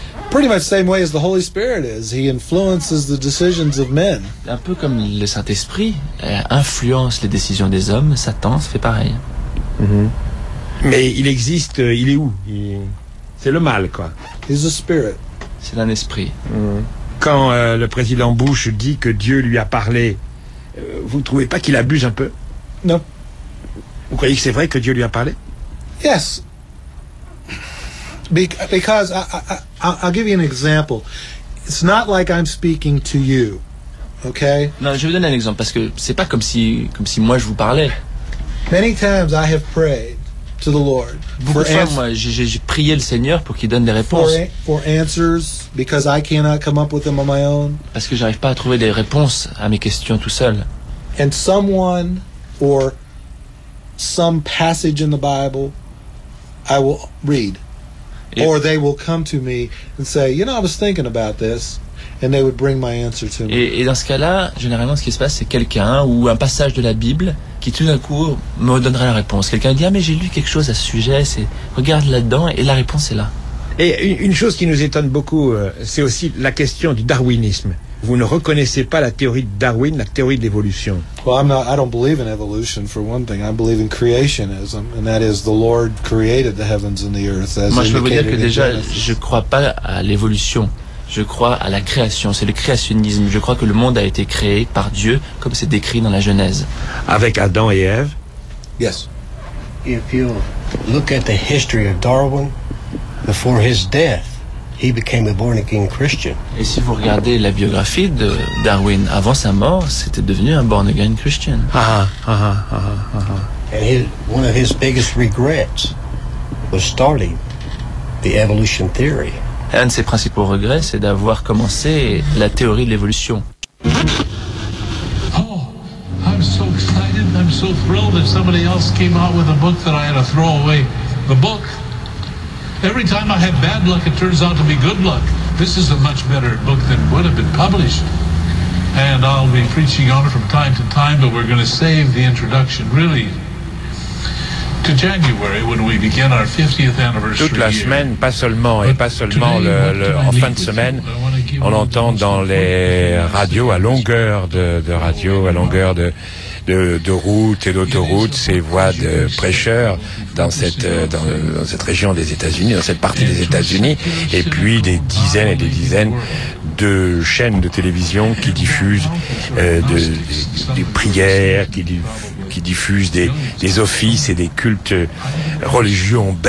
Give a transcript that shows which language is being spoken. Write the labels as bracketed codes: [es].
[en] Pretty much the same way as the Holy Spirit is. He influences the decisions of men. [fr] Un peu comme le Saint-Esprit influence les décisions des hommes, Satan se fait pareil. Mm-hmm. Mais il existe, il est où? C'est le mal, quoi. [en] He's a spirit. [fr] C'est un esprit. Mm-hmm. Quand le président Bush dit que Dieu lui a parlé, vous ne trouvez pas qu'il abuse un peu? Non. Vous croyez que c'est vrai que Dieu lui a parlé? [en] Yes, Because I'll give you an example. It's not like I'm speaking to you, okay? [fr] Non, je vais donner un exemple parce que c'est pas comme si moi je vous parlais. [en] Many times I have prayed to the Lord. [fr] J'ai prié le Seigneur pour qu'il donne des réponses. [en] For answers, because I cannot come up with them on my own. [fr] Parce que j'arrive pas à trouver des réponses à mes questions tout seul. [en] And someone or some passage in the Bible, I will read. Et or they will come to me and say, you know, I was thinking about this, and they would bring my answer to me. [fr] Et dans ce cas-là, généralement, ce qui se passe, c'est quelqu'un ou un passage de la Bible qui tout d'un coup me donnera la réponse. Quelqu'un dit, ah, mais j'ai lu quelque chose à ce sujet, c'est, regarde là-dedans, et la réponse est là. Et une chose qui nous étonne beaucoup, c'est aussi la question du darwinisme. Vous ne reconnaissez pas la théorie de Darwin, la théorie de l'évolution. [en] Well, I don't believe in evolution for one thing. I believe in creationism, and that is the Lord created the heavens and the earth. As [fr] moi, je peux vous dire que déjà, je ne crois pas à l'évolution. Je crois à la création. C'est le créationnisme. Je crois que le monde a été créé par Dieu, comme c'est décrit dans la Genèse. Avec Adam et Ève. [en] Yes. If you look at the history of Darwin before his death, he became a born-again Christian. [fr] Et si vous regardez la biographie de Darwin avant sa mort, c'était devenu un born-again Christian. [en] And his, one of his biggest regrets was starting the evolution theory. [fr] Un de ses principaux regrets, c'est d'avoir commencé la théorie de l'évolution. [en] Oh, I'm so excited, I'm so thrilled that somebody else came out with a book that I had to throw away. The book. Every time I have bad luck, it turns out to be good luck. This is a much better book than would have been published. And I'll be preaching on it from time to time, but we're going to save the introduction, really, to January, when we begin our 50th anniversary. [fr] Toute la semaine, pas seulement, et pas seulement en fin de semaine, on l'entend dans les radios à longueur de radio, à longueur de routes et d'autoroutes, ces voix de prêcheurs dans cette région des États-Unis, dans cette partie des États-Unis, et puis des dizaines et des dizaines de chaînes de télévision qui diffusent des prières, qui diffusent des offices et des cultes religieux.